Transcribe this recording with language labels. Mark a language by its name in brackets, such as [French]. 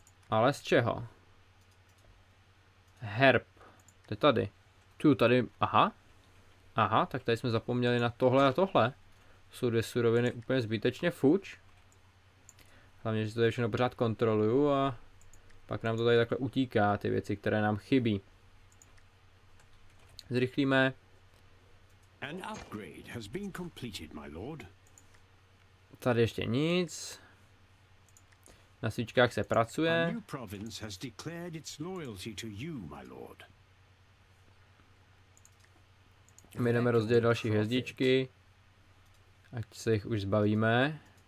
[Czech] Ale z čeho? Herb, to je tady. Tu tady, aha. Aha, tak tady jsme zapomněli na tohle a tohle. Jsou dvě suroviny úplně zbytečně fuč. Hlavně, že to tady všechno pořád kontroluju a pak nám to tady takhle utíká, ty věci, které nám chybí. Zrychlíme. [English] An upgrade has been completed, my lord. [Czech] Tady ještě nic. Na svíčkách se pracuje. [English] A new province has declared its loyalty to you, my lord. [Czech] My jdeme rozdělit další hvězdičky. Ať se jich už zbavíme.